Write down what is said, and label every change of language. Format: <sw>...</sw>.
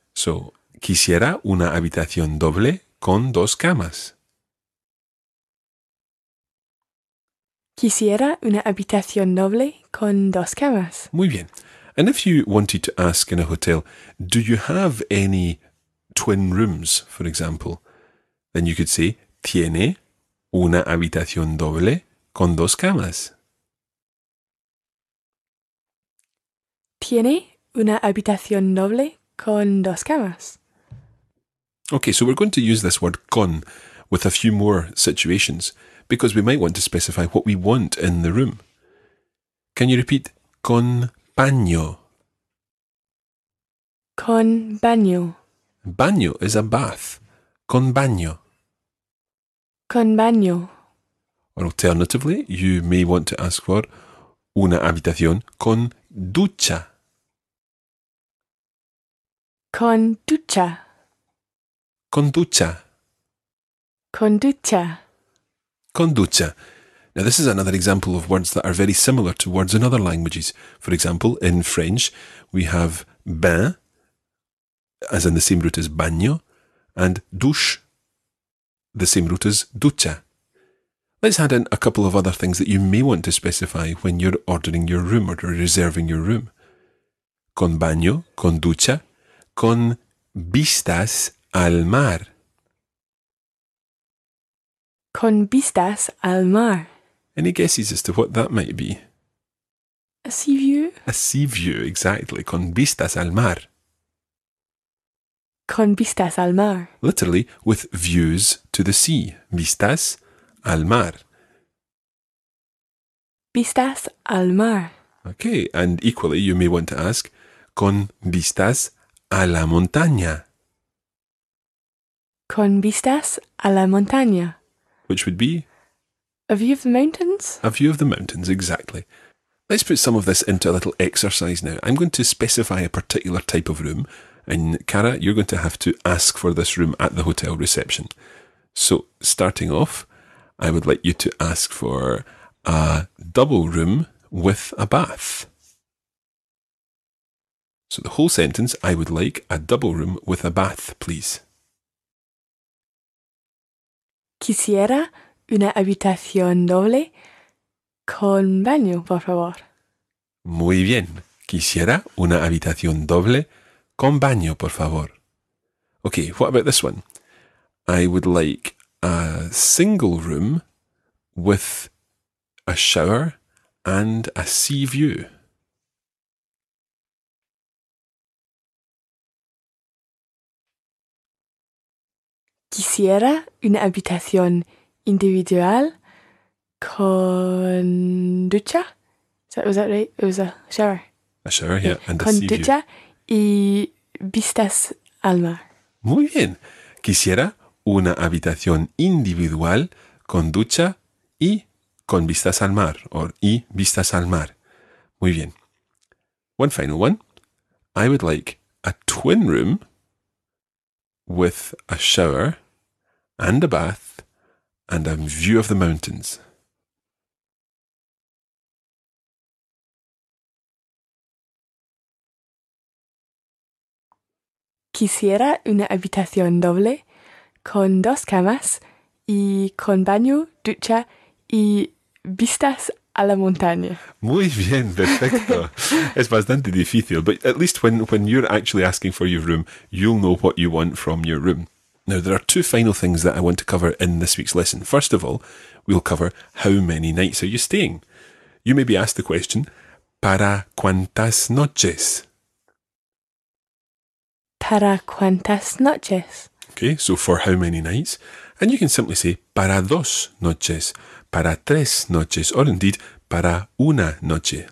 <es>So, quisiera una habitación doble con dos camas. Quisiera una habitación noble con dos camas. Muy bien.</es> <en>And if you wanted to ask in a hotel, do you have any twin rooms, for example? Then you could say,</en> <es>¿Tiene una habitación doble con dos camas? ¿Tiene una habitación doble con dos camas?</es> <en>Okay, so we're going to use this word con with a few more situations because we might want to specify what we want in the room. Can you repeat</en> <es>con baño? Con baño.</es> <en>Baño is a bath.</en> <es>Con baño. Con baño.</es> <en>Or alternatively, you may want to ask for</en> <es>una habitación con ducha. Con ducha. Con ducha. Con ducha. Con ducha.</es> <en>Now, this is another example of words that are very similar to words in other languages. For example, in French, we have bain, as in the same root as baño, and douche, the same root as ducha. Let's add in a couple of other things that you may want to specify when you're ordering your room or reserving your room.</en> <es>Con baño, con ducha, con vistas al mar. Con vistas al mar.</es> <en>Any guesses as to what that might be? A sea view? A sea view, exactly.</en> <es>Con vistas al mar. Con vistas al mar.</es> <en>Literally, with views to the sea.</en> <es>Vistas al mar. Vistas al mar.</es> <en>Okay, and equally you may want to ask,</en> <es>con vistas a la montaña. Con vistas a la montaña.</es> <en>Which would be? A view of the mountains. A view of the mountains, exactly. Let's put some of this into a little exercise now. I'm going to specify a particular type of room, and Cara, you're going to have to ask for this room at the hotel reception. So, starting off, I would like you to ask for a double room with a bath. So the whole sentence, I would like a double room with a bath, please.</en> <es>Quisiera una habitación doble con baño, por favor. Muy bien. Quisiera una habitación doble con baño, por favor.</es> <en>Okay, what about this one? I would like a single room with a shower and a sea view.</en> <es>Quisiera una habitación individual con ducha.</es> <en>Was that right? It was a shower. A shower, yeah. And</en> <es>con</es> <en>a sea</en> <es>ducha</es> <en>view.</en> <es>Y vistas al mar. Muy bien. Quisiera una habitación individual con ducha y con vistas al mar.</es> <en>Or</en> <es>y vistas al mar. Muy bien.</es> <en>One final one. I would like a twin room with a shower and a bath, and a view of the mountains.</en> <es>Quisiera una habitación doble con dos camas y con baño, ducha y vistas a la montaña. Muy bien, perfecto. Es bastante difícil,</es> <en>but at least when you're actually asking for your room, you'll know what you want from your room. Now, there are two final things that I want to cover in this week's lesson. First of all, we'll cover how many nights are you staying? You may be asked the question,</en> <es>¿Para cuántas noches? ¿Para cuántas noches?</es> <en>Okay, so for how many nights? And you can simply say,</en> <es>¿Para dos noches? ¿Para tres noches?</es> <en>Or indeed,</en> <es>¿Para una noche?</es>